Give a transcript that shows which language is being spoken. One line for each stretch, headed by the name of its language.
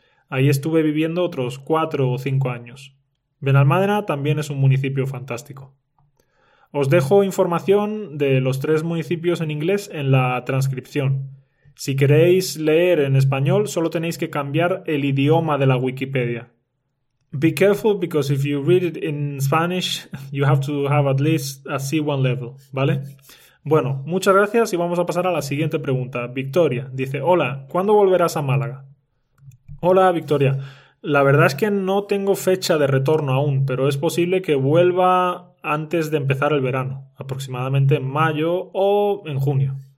Spanish: Ahí estuve viviendo otros 4 o 5 años. Benalmádena también es un municipio fantástico. Os dejo información de los 3 municipios en inglés en la transcripción. Si queréis leer en español, solo tenéis que cambiar el idioma de la Wikipedia.
English: Be careful because if you read it in Spanish, you have to have at least a C1 level, ¿vale?
Spanish: Bueno, muchas gracias y vamos a pasar a la siguiente pregunta. Victoria dice, hola, ¿cuándo volverás a Málaga? Hola, Victoria. La verdad es que no tengo fecha de retorno aún, pero es posible que vuelva antes de empezar el verano, aproximadamente en mayo o en junio.